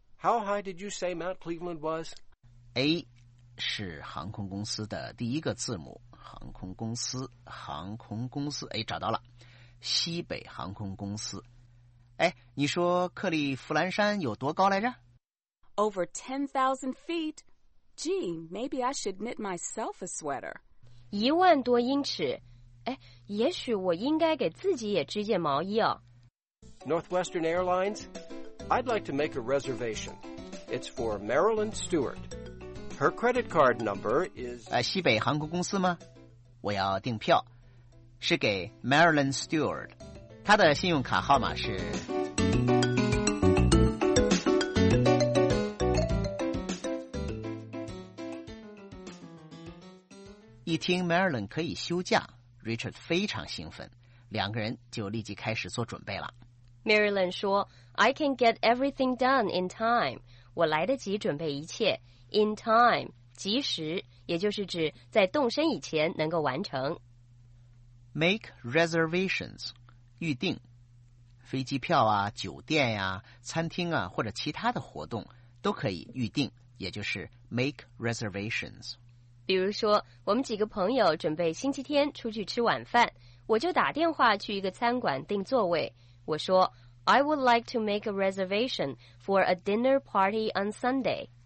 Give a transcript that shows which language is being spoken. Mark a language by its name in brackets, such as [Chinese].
[English] How high did you say Mount Cleveland was? A. [Chinese] 是航空公司的第一个字母，航空公司，哎，找到了，西北航空公司。哎，你说克利夫兰山有多高来着？ [English] Over 10,000 feet. Gee, maybe I should knit myself a sweater. [Chinese] 10,000多英尺，哎，也许我应该给自己也织件毛衣哦。 [English] Northwestern Airlines, I'd like to make a reservation. It's for Marilyn Stewart. Her credit card number is... [Chinese] 西北航空公司吗？我要订票，是给 Marilyn Stewart。她的信用卡号码是... 一听 Marilyn 可以休假 ,Richard 非常兴奋，两个人就立即开始做准备了。 Marilyn 说 , [English] I can get everything done in time, [Chinese] 我来得及准备一切。 [English] In time, [Chinese] 及时，也就是指在动身以前能够完成。 [English] Make reservations, [Chinese] 预定。飞机票啊，酒店呀，餐厅啊，或者其他的活动都可以预定，也就是 [English] make reservations。 [Chinese] 比如说，我们几个朋友准备星期天出去吃晚饭，我就打电话去一个餐馆订座位。我说 [English] ,I would like to make a reservation for a dinner party on Sunday.